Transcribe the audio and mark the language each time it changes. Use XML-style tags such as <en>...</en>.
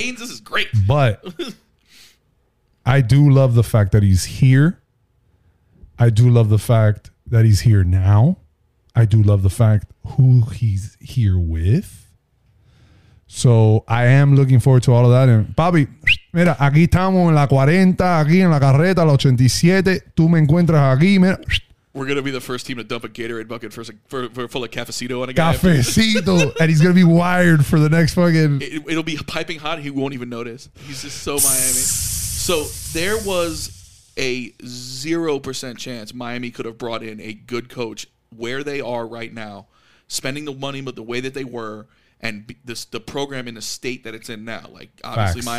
<en>Canes, this is great, but I do love the fact that he's here. I do love the fact that he's here now. I do love the fact who he's here with. So I am looking forward to all of that.</en> <es>And Bobby, mira, aquí estamos en la 40, aquí en la carreta, la 87. Tú me encuentras aquí, mira.</es> <en>We're going to be the first team to dump a Gatorade bucket for full of cafecito on a guy. Cafecito. And he's going to be wired for the next fucking... It'll be piping hot. He won't even notice. He's just so Miami. So there was a 0% chance Miami could have brought in a good coach where they are right now, spending the money but the way that they were, and the program in the state that it's in now. Like, obviously, facts.</en>